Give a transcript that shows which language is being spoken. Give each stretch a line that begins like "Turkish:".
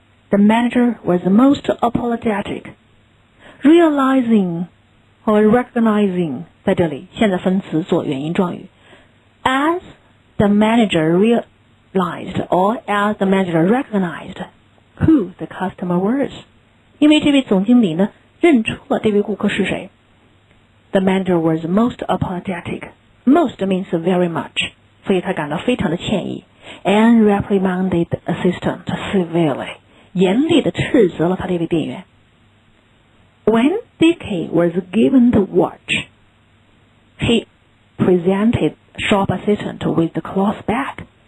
English: the manager was most apologetic. Realizing or recognizing,
Chinese: 在这里现在分词做原因状语。
English: As the manager realized or as the manager recognized, Who the customer was.
Chinese: 因为这位总经理呢认出了这位顾客是谁。
English: The manager was most apologetic. Most means very much.
Chinese: 所以他感到非常的歉意。
English: And reprimanded the assistant severely.
Chinese: 严厉地斥责了他这位店员。
English: When Dickie was given the watch, he presented shop assistant with the cloth bag.